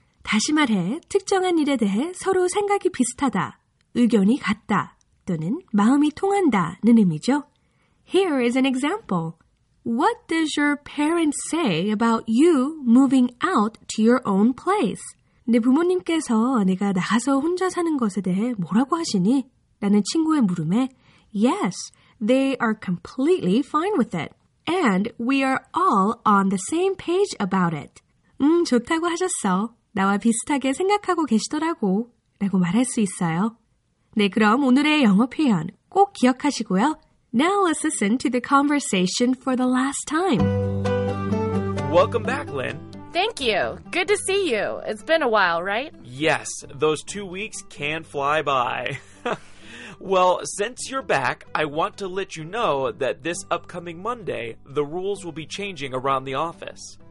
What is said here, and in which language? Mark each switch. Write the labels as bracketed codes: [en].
[ko] 다시 말해, 특정한 일에 대해 서로 생각이 비슷하다, 의견이 같다. 또는 마음이 통한다는 의미죠. [en] Here is an example. What does your parents say about you moving out to your own place? [ko] 내 부모님께서 내가 나가서 혼자 사는 것에 대해 뭐라고 하시니? 라는 친구의 물음에 [en] Yes, they are completely fine with it. And we are all on the same page about it. [ko] 좋다고 하셨어. 나와 비슷하게 생각하고 계시더라고. 라고 말할 수 있어요. 네, 그럼 오늘의 영어 표현 꼭 기억하시고요. [en] Now let's listen to the conversation for the last time. Welcome back, Lynn. Thank you. Good to see you. It's been a while, right? Yes, those 2 weeks can fly by. Well, since you're back, I want to let you know that this upcoming Monday, the rules will be changing around the office.